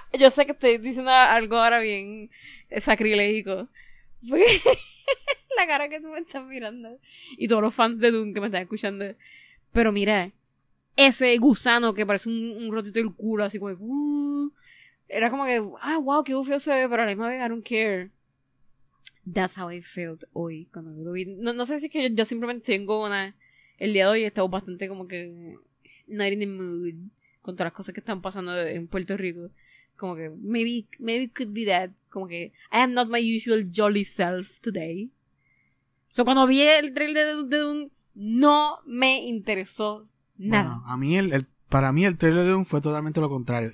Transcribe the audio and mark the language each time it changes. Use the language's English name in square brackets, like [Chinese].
[Spanish] sé que estoy diciendo algo ahora bien sacrilegico, la cara que tú me estás mirando, y todos los fans de Doom que me están escuchando, pero mira, ese gusano que parece un rotito del culo, así como, era como que, ah, wow, qué bufio se ve, pero a la misma vez, [English] I don't care. That's how I felt [Spanish] hoy, cuando lo vi. No, no sé si es que yo simplemente tengo una... El día de hoy estaba bastante como que... [English] Not in the mood. [Spanish] Con todas las cosas que están pasando en Puerto Rico. Como que, [English] maybe it could be that. [Spanish] Como que, [English] I am not my usual jolly self today. [Spanish] So, cuando vi el trailer de Doom, no me interesó nada. Bueno, a mí el... Para mí el trailer de Doom fue totalmente lo contrario.